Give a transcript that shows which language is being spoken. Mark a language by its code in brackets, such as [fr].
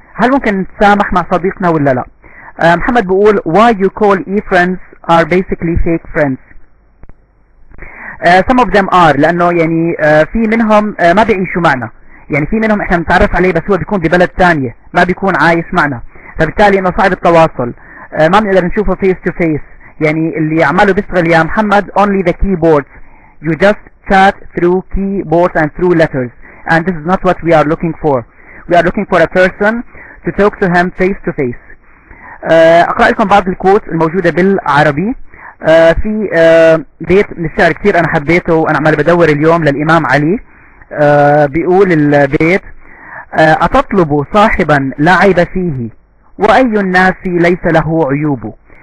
[ar] هل ممكن نتسامح مع صديقنا ولا لا؟ محمد بيقول [en] why you call e-friends are basically fake friends. Some of them are، [ar] لأنه يعني في منهم ما بيعيشوا معنا، يعني في منهم احنا بنتعرف عليه بس هو بيكون ببلد تانية ما بيكون عايش معنا، فبالتالي انه صعب التواصل، ما بنقدر نشوفه [en] Face to face. [ar] يعني اللي عماله بيشتغل يا محمد [en] only the keyboards، you just chat through keyboards and through letters and this is not what we are looking for، we are looking for a person to talk to him face to face. [ar] اقرأ لكم بعض الكوت الموجودة بالعربي. في بيت من الشعر كثير انا حبيته وانا عمال بدور اليوم للامام علي، بيقول البيت اتطلب صاحبا لا عيب فيه واي الناس ليس له عيوبه.